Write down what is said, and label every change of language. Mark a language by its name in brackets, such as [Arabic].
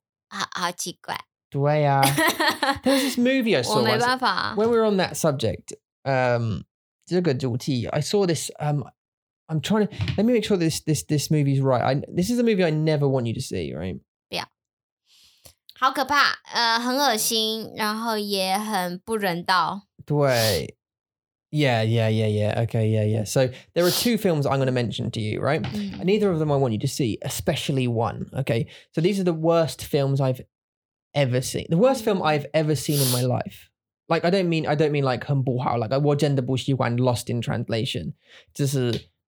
[Chinese] 好奇怪. [English] 对啊. There's this movie I saw. [Chinese] 我没办法. [English] When we were on that subject, 这个主题, I saw this, I'm trying to, let me make sure this movie's right. This is a movie I never want you to see, right? Yeah. [Chinese] 好可怕，很恶心，然后也很不人道。 [English] 对。 Yeah. Okay, yeah. So there are two films I'm going to mention to you, right? Mm-hmm. Neither of them I want you to see, especially one. Okay. So these are the worst films I've ever seen. The worst film I've ever seen in my life. Like, I don't mean like 很不好, like 我真的不喜欢 Lost in Translation. 这是